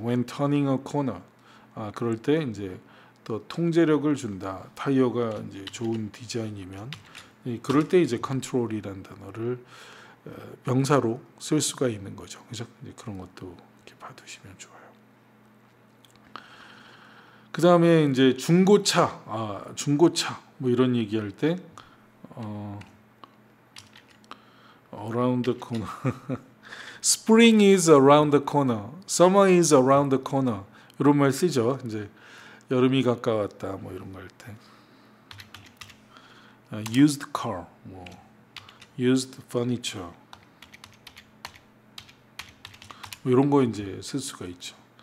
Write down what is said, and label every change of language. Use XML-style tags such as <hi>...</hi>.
<en>When turning a corner,</en> <ko>아 그럴 때 이제 더 통제력을 준다. 타이어가 이제 좋은 디자인이면. 그럴 때 이제 컨트롤이라는 단어를 명사로 쓸 수가 있는 거죠. 그렇죠? 그런 것도 이렇게 봐두시면 좋아요. 그 다음에 이제 중고차 뭐 이런 얘기할 때</ko> <en>around the corner, spring is around the corner,</en> <ko>summer is around the corner 이런 말 쓰죠. 이제 여름이 가까웠다 뭐 이런 말 할 때. used car, 뭐, used furniture 뭐 이런 거 이제 쓸 수가 있죠.</ko>